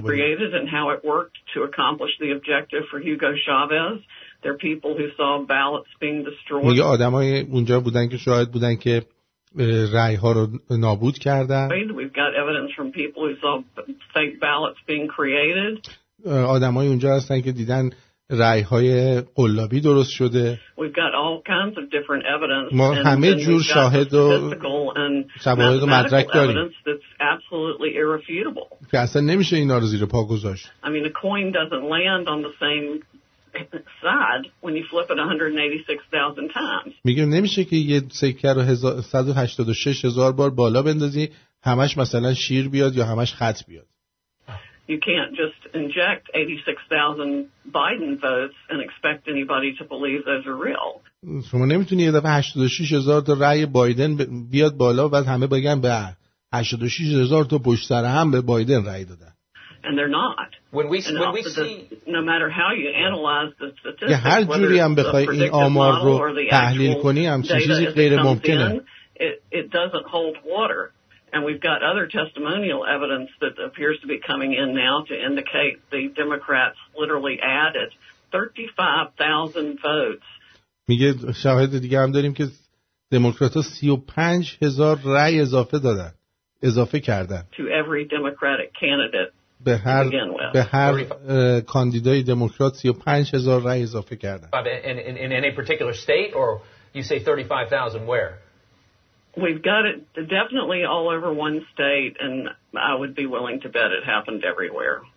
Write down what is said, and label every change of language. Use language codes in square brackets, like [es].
[en] Created and how it worked to accomplish the objective for Hugo Chavez. There are people who saw ballots being destroyed. [fa] میگه آدمای اونجا بودن که شاهد بودن که رای ها رو نابود کردن. [en] We've got evidence from people who saw fake ballots being created. [fa] آدم های اونجا هستن که دیدن رای های قلابی درست شده. [en] We've got all kinds of different evidence. [fa] ما همه جور شاهد و شواهد و مدرک داریم [en] that's absolutely irrefutable. [fa] که اصلا نمیشه اینا رو زیر پا گذاشت. [en] I mean, a coin doesn't land on the same side when you flip it 186,000 times. [fa] میگه نمیشه که یه سکه رو 186,000 بار بالا بندازی همش مثلا شیر بیاد یا همش خط بیاد. [en] You can't just inject 86,000 Biden votes and expect anybody to believe those are real. [fa] شما نمیتونی یه دفعه 86,000 تا رأی بایدن بیاد بالا و بعد همه بگن به 86,000 تا پشت سر هم به بایدن رأی دادن. [en] And they're not. When we see no matter how you analyze the statistics, yeah, [fa] هر جوری هم بخوای این آمار رو تحلیل کنی هم چیزی غیر ممکنه. [en] It doesn't hold water. And we've got other testimonial evidence that appears to be coming in now to indicate the Democrats literally added 35,000 votes. [fa] میگه شواهد دیگه هم داریم که دموکرات‌ها 35,000 رأی اضافه دادن، اضافه کردن. [en] To every Democratic candidate. [fa] به هر کاندیدای دموکرات 35,000 رای اضافه کردن. [en] In a particular state, or you say 35,000 where? We've got it definitely all over one state, and I would be willing to bet it happened everywhere.